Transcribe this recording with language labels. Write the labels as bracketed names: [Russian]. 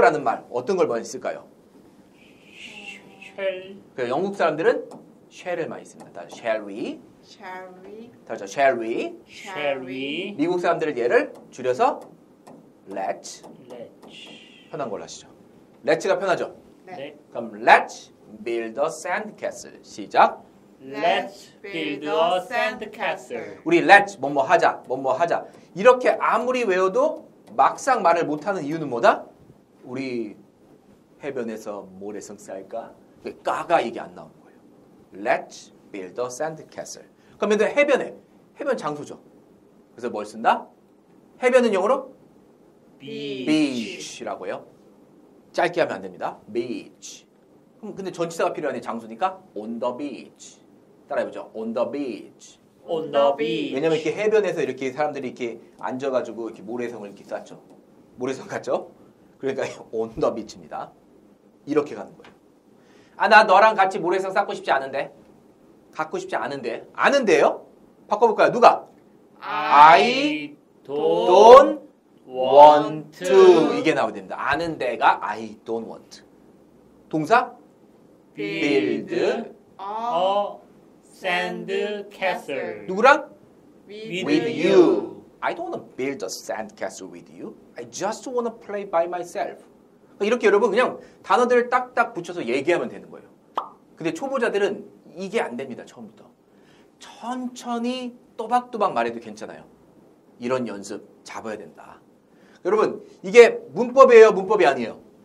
[Korean] 라는 말. 어떤 걸 많이 쓸까요? [English] Shall. [Korean] 그 영국 사람들은 shall을 많이 씁니다. [English] 따라, shall we? Shall we? 따라, shall we? Shall we? [Korean] 미국 사람들은 얘를 줄여서 let. [English] Let. [Korean] 편한 걸로 하시죠. Let's가 편하죠? 네. [English] 그럼 Let's build a sandcastle. [Korean] 시작! [English] Let's build a sandcastle. [Korean] 우리 Let's 뭐뭐 하자, 뭐뭐 하자. 이렇게 아무리 외워도 막상 말을 못하는 이유는 뭐다? 우리 해변에서 모래성 쌓을까? 까가 이게 안 나오는 거예요. [English] Let's build a sandcastle. [Korean] 그럼 얘들 해변에, 해변 장소죠. 그래서 뭘 쓴다? 해변은 영어로? [English] Beach. [Korean] Beach라고 해요. 짧게 하면 안 됩니다. Beach. 그럼 근데 전치사가 필요하네. [English] 장소니까 on the beach. 따라해보죠. On the beach. On the beach. [Korean] 왜냐면 이렇게 해변에서 이렇게 사람들이 이렇게 앉아가지고 이렇게 모래성을 이렇게 쌓죠. 모래성 같죠? 그러니까 on the beach입니다. 이렇게 가는 거예요. 아, 나 너랑 같이 모래성 쌓고 싶지 않은데. 갖고 싶지 않은데. 아는데요? 바꿔볼까요? 누가? [English] I don't want to. [Korean] 이게 나오게 됩니다. [English] 아는 데가 I don't want. [Korean] 동사? [English] Build a sand castle. [Korean] 누구랑? [English] With you. I don't want to build a sand castle with you. I just want to play by myself. [Korean] 이렇게 여러분 그냥 단어들을 딱딱 붙여서 얘기하면 되는 거예요. 근데 초보자들은 이게 안 됩니다. 처음부터. 천천히 또박또박 말해도 괜찮아요. 이런 연습 잡아야 된다. 여러분 이게 문법이에요? 문법이 아니에요?